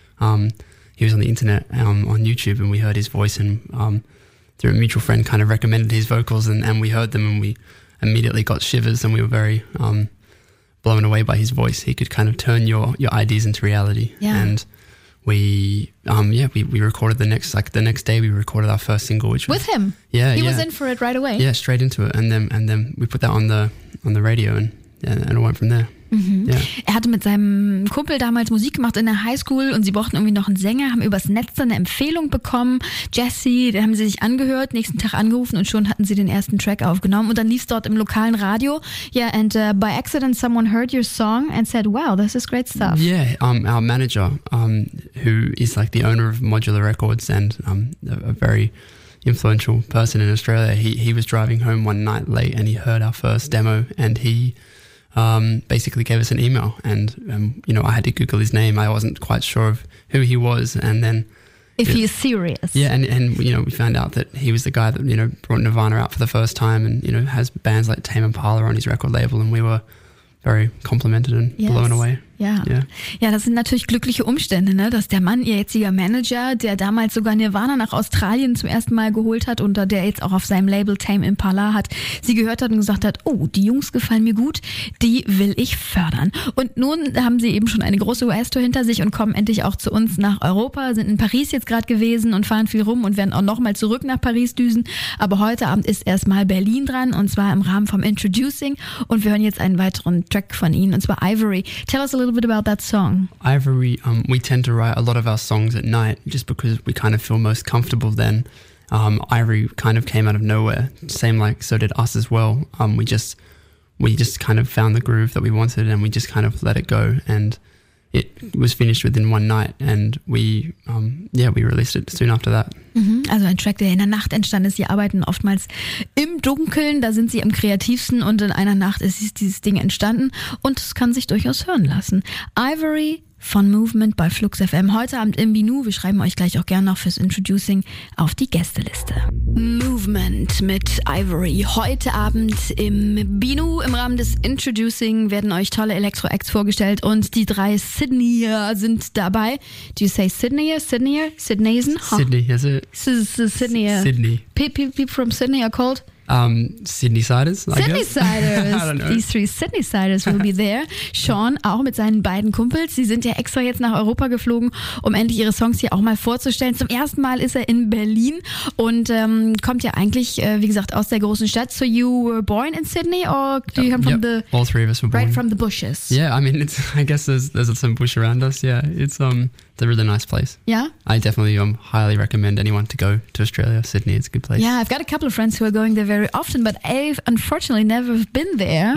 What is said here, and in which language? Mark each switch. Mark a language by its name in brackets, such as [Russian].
[English] He was on the internet on YouTube and we heard his voice and through a mutual friend kind of recommended his vocals and we heard them and we immediately got shivers and we were very blown away by his voice. He could kind of turn your ideas into reality. Yeah. And we recorded the next day we recorded our first single, which was with him. Yeah. He was in for it right away. Yeah, straight into it. And then we put that on the radio and it went from there. Mhm. Yeah. [German] Er hatte mit seinem Kumpel damals Musik gemacht in der Highschool und sie brauchten irgendwie noch einen Sänger, haben übers Netz dann eine Empfehlung bekommen. Jesse, den haben sie sich angehört, nächsten Tag angerufen und schon hatten sie den ersten Track aufgenommen und dann lief es dort im lokalen Radio. [English] Yeah, and by accident someone heard your song and said, wow, this is great stuff. Yeah, our manager, who is like the owner of Modular Records and a very influential person in Australia, he was driving home one night late and he heard our first demo and he basically gave us an email and, you know, I had to Google his name. I wasn't quite sure of who he was. And then He is serious. Yeah. And, you know, we found out that he was the guy that, you know, brought Nirvana out for the first time and, you know, has bands like Tame Impala on his record label. And we were very complimented and blown away. [German] Ja, das sind natürlich glückliche Umstände, ne? Dass der Mann, ihr jetziger Manager, der damals sogar Nirvana nach Australien zum ersten Mal geholt hat und der jetzt auch auf seinem Label Tame Impala hat, sie gehört hat und gesagt hat, oh, die Jungs gefallen mir gut, die will ich fördern. Und nun haben sie eben schon eine große US-Tour hinter sich und kommen endlich auch zu uns nach Europa, sind in Paris jetzt gerade gewesen und fahren viel rum und werden auch nochmal zurück nach Paris düsen. Aber heute Abend ist erstmal Berlin dran und zwar im Rahmen vom Introducing und wir hören jetzt einen weiteren Track von ihnen und zwar Ivory. [English] Tell us a little bit about that song. Ivory, we tend to write a lot of our songs at night just because we kind of feel most comfortable then. Ivory kind of came out of nowhere, same like so did us as well. We just kind of found the groove that we wanted and we just kind of let it go and it was finished within one night and we released it soon after that. [German] Also ein Track, der in der Nacht entstanden ist. Sie arbeiten oftmals im Dunkeln, da sind sie am kreativsten und in einer Nacht ist dieses Ding entstanden und es kann sich durchaus hören lassen. Ivory von Movement bei Flux FM. Heute Abend im Binu. Wir schreiben euch gleich auch gerne noch fürs Introducing auf die Gästeliste. Movement mit Ivory. Heute Abend im Binu im Rahmen des Introducing werden euch tolle Elektro-Acts vorgestellt und die drei Sydneyer sind dabei. [English] Do you say Sydneyer? Sydneyer? Sydneysen? Sydney. People from Sydney are called? Sydney Siders. These three Sydney Siders will be there. [German] Sean auch mit seinen beiden Kumpels. Sie sind ja extra jetzt nach Europa geflogen, um endlich ihre Songs hier auch mal vorzustellen. Zum ersten Mal ist er in Berlin und kommt ja eigentlich, wie gesagt, aus der großen Stadt. [English] So you were born in Sydney or do you come from the... All three of us were born. Right from the bushes. Yeah, I mean, it's, I guess there's some bush around us. Yeah, it's a really nice place. Yeah? I definitely highly recommend anyone to go to Australia. Sydney is a good place. Yeah, I've got a couple of friends who are going there very often, but I've unfortunately never been there.